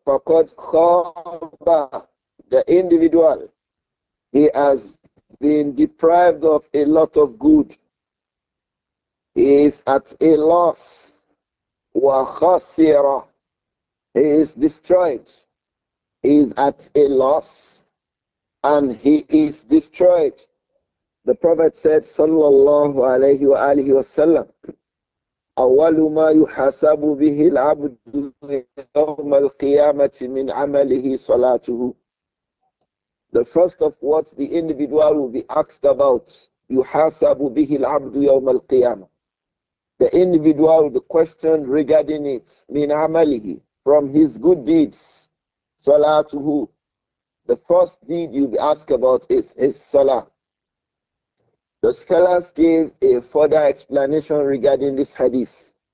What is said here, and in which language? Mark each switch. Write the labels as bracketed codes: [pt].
[ar] Faqad khaba, [en] the individual, he has been deprived of a lot of good. He is at a loss. [ar] Wa khasira, [en] he is destroyed. He is at a loss and he is destroyed. The Prophet said, [ar] Sallallahu alayhi wa alihi wa sallam, أول ما يحاسب به العبد يوم القيامة من عمله صلاته. [en] The first of what the individual will be asked about, [ar] يحاسب به العبد يوم القيامة. [en] The individual will be questioned regarding it, [ar] من عمله, [en] from his good deeds, صلاته. The first deed you'll be asked about is his salah. The scholars gave a further explanation regarding this hadith.